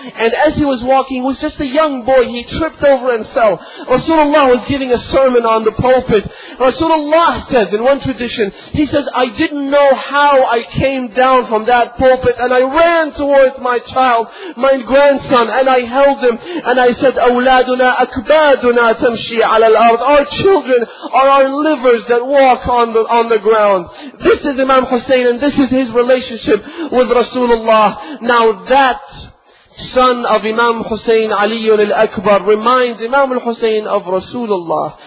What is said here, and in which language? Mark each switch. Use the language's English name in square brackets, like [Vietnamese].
[English] And as he was walking, he was just a young boy. He tripped over and fell. Rasulullah was giving a sermon on the pulpit. Rasulullah says, in one tradition, he says, I didn't know how I came down from that pulpit. And I ran towards my child, my grandson, and I held him. [Arabic] And I said, أَوْلَادُنَا أَكْبَادُنَا تَمْشِي عَلَى الْأَرْضِ. [English] Our children are our livers that walk on the ground. This is Imam Hussein, and this is his relationship with Rasulullah. Now that son of Imam Hussein, Ali al-Akbar, reminds Imam al-Hussein of Rasulullah.